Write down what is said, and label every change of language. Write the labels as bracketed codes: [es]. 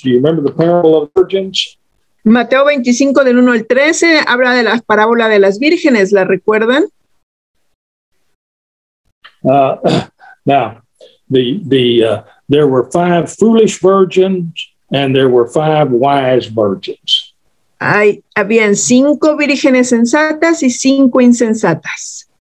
[en] Do you remember the parable of the virgins? [es] Mateo 25, del 1 al 13, habla de la parábola de las vírgenes. ¿La recuerdan? [en] Now, there were five foolish virgins and there were five wise virgins. [es] Habían cinco vírgenes sensatas y cinco insensatas.